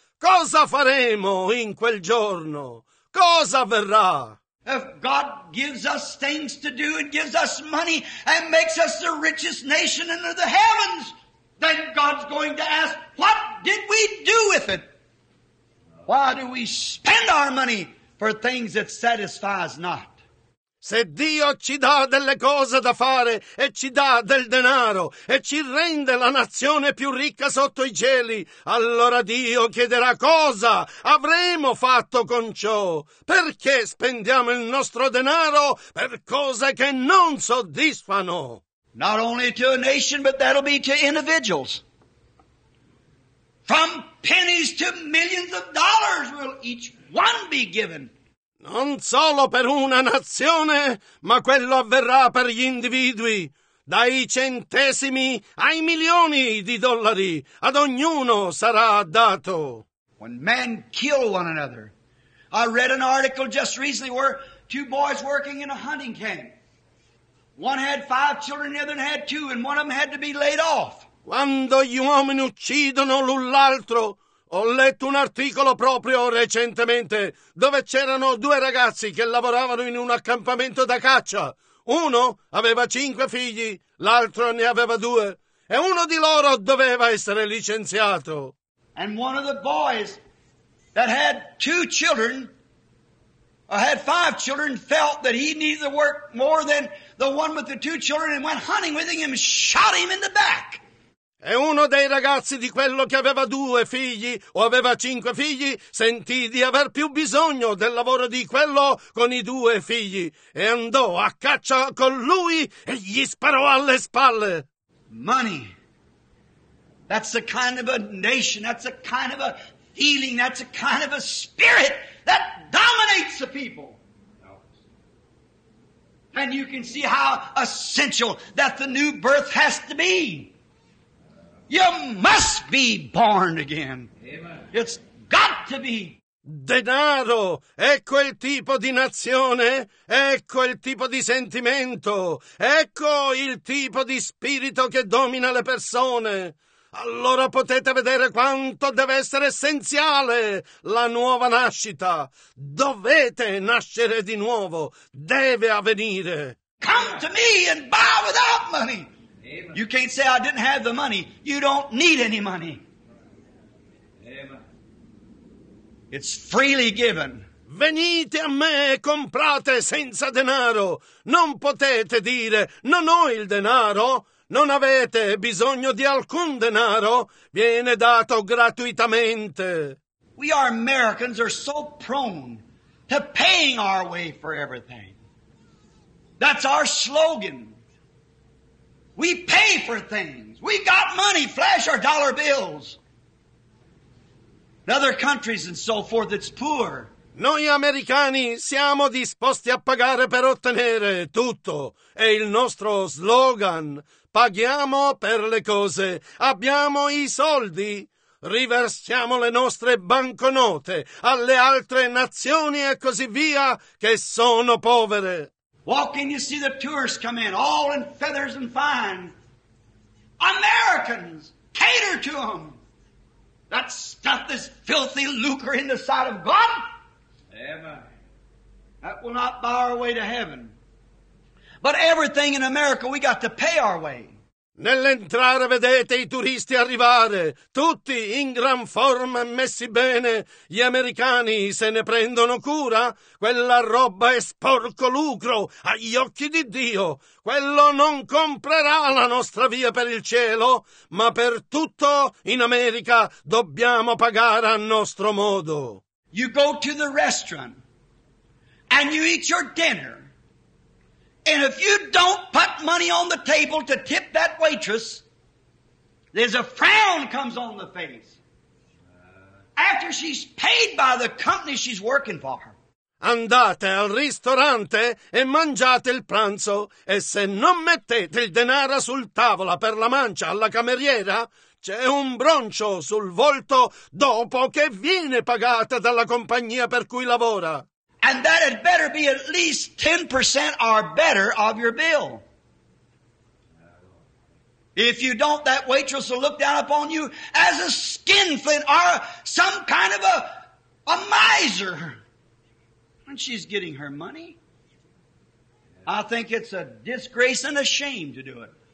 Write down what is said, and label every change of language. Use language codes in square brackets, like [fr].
[it] Cosa faremo in quel giorno? Cosa avverrà? [en] If God gives us things to do and gives us money and makes us the richest nation under the heavens, then God's going to ask, what did we do with it? Why do we spend our money for things that satisfies not? [it] Se Dio ci dà delle cose da fare e ci dà del denaro e ci rende la nazione più ricca sotto i cieli, allora Dio chiederà cosa avremo fatto con ciò. Perché spendiamo il nostro denaro per cose che non soddisfano? [en] Not only to a nation, but that'll be to individuals. From pennies to millions of dollars will each one be given. [it] Non solo per una nazione, ma quello avverrà per gli individui. Dai centesimi ai milioni di dollari, ad ognuno sarà dato. [en] When men kill one another. I read an article just recently where two boys working in a hunting camp. One had five children, the other had two, and one of them had to be laid off. [it] Quando gli uomini uccidono l'un l'altro, ho letto un articolo proprio recentemente dove c'erano due ragazzi che lavoravano in un accampamento da caccia. Uno aveva cinque figli, l'altro ne aveva due, e uno di loro doveva essere licenziato. [en] And one of the boys that had two children, or had five children, felt that he needed to work more than the one with the two children, and went hunting with him and shot him in the back. [it] E uno dei ragazzi di quello che aveva due figli o aveva cinque figli sentì di aver più bisogno del lavoro di quello con i due figli e andò a caccia con lui e gli sparò alle spalle. [en] Money. That's a kind of a nation. That's a kind of a feeling. That's a kind of a spirit that dominates the people. And you can see how essential that the new birth has to be. You must be born again. Amen. It's got to be. [it] Denaro, ecco il tipo di nazione, ecco il tipo di sentimento, ecco il tipo di spirito che domina le persone. Allora potete vedere quanto deve essere essenziale la nuova nascita. Dovete nascere di nuovo. Deve avvenire. [en] Come to me and buy without money. Amen. You can't say, I didn't have the money. You don't need any money. Amen. It's freely given. [it] Venite a me e comprate senza denaro. Non potete dire, non ho il denaro. Non avete bisogno di alcun denaro. Viene dato gratuitamente. [en] We are Americans are so prone to paying our way for everything. That's our slogan. We pay for things. We got money, flash our dollar bills. In other countries and so forth, it's poor. [it] Noi americani siamo disposti a pagare per ottenere tutto. È il nostro slogan. Paghiamo per le cose. Abbiamo i soldi. Riversiamo le nostre banconote alle altre nazioni e così via che sono povere. [en] Walk in, you see the tourists come in, all in feathers and fine. Americans, cater to them. That stuff is filthy lucre in the sight of God. Amen. That will not buy our way to heaven. But everything in America, we got to pay our way. [it] Nell'entrare vedete i turisti arrivare, tutti in gran forma e messi bene. Gli americani se ne prendono cura? Quella roba è sporco lucro agli occhi di Dio. Quello non comprerà la nostra via per il cielo, ma per tutto in America dobbiamo pagare a nostro modo. [en] You go to the restaurant and you eat your dinner. And if you don't put money on the table to tip that waitress, there's a frown comes on the face after she's paid by the company she's working for. [it] Andate al ristorante e mangiate il pranzo, e se non mettete il denaro sul tavolo per la mancia alla cameriera, c'è un broncio sul volto dopo che viene pagata dalla compagnia per cui lavora. [en] And that had better be at least 10% or better of your bill. If you don't, that waitress will look down upon you as a skinflint or some kind of a miser. And she's getting her money. I think it's a disgrace and a shame to do it.